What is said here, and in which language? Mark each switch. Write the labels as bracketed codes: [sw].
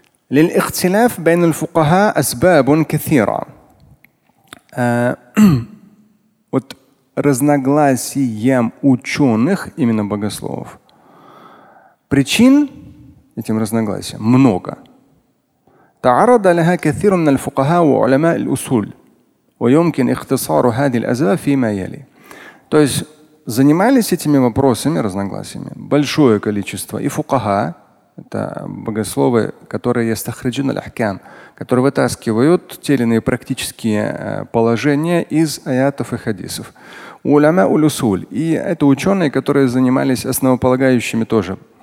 [ar] لِلْإِخْتِلَافِ بَيْنُ الْفُقَهَا أَسْبَابٌ كَثِيرًا. [ru] Вот разногласиям ученых, именно богословов, причин этим разногласиям много. [ar] تعرض لها كثير من الفقهاء وعلماء الأصول ويمكن اختصار هذه الأسباب فيما يلي. [ru] То есть занимались этими вопросами, разногласиями, большое количество и фукаха, это богословы, которые [ar] يستخرجون الأحكام, [ru] которые вытаскивают те или иные практические положения из аятов и хадисов. Уляма уль-усуль. И это ученые, которые занимались основополагающими тоже.